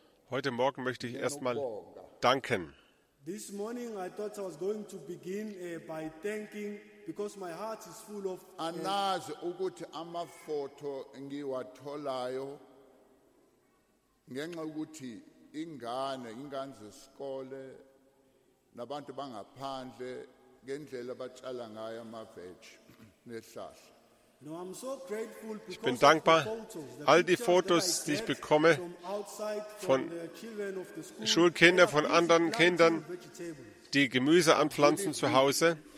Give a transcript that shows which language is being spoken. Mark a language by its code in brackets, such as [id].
[de] Heute Morgen möchte ich erstmal danken. [en] This morning I thought I was going to begin by thanking because my heart is full of [zu] anazi ukuthi amafoto ngiwatholayo ngenxa ukuthi ingane zesikole nabantu bangaphandle ngendlela abatshala ngayo ama veg nehlahla. [en] No, I'm so grateful because [de] ich bin dankbar, all die Fotos, die ich bekomme von Schulkindern, von anderen Kindern, die Gemüse anpflanzen zu Hause.